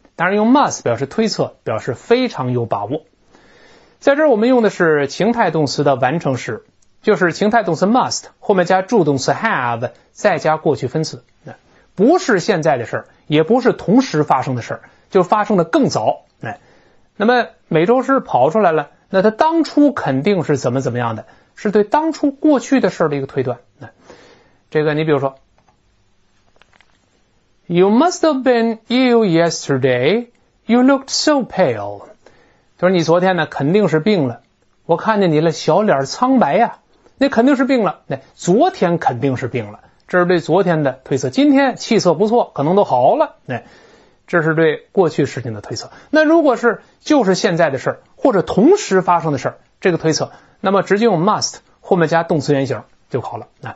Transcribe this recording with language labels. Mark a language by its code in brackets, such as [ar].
[zh] 当然用 must 表示推测，表示非常有把握。在这儿我们用的是情态动词的完成时，就是情态动词 must 后面加助动词 have 再加过去分词，不是现在的事，也不是同时发生的事，就发生的更早。那么美洲狮跑出来了，那他当初肯定是怎么怎么样的，是对当初过去的事的一个推断。这个你比如说 [en] You must have been ill yesterday, you looked so pale. [zh] 就是你昨天呢肯定是病了，我看见你了，小脸苍白呀，那肯定是病了，那昨天肯定是病了，这是对昨天的推测，今天气色不错，可能都好了，这是对过去事情的推测。那如果是就是现在的事或者同时发生的事，这个推测，那么直接用 must 后面加动词原形就好了。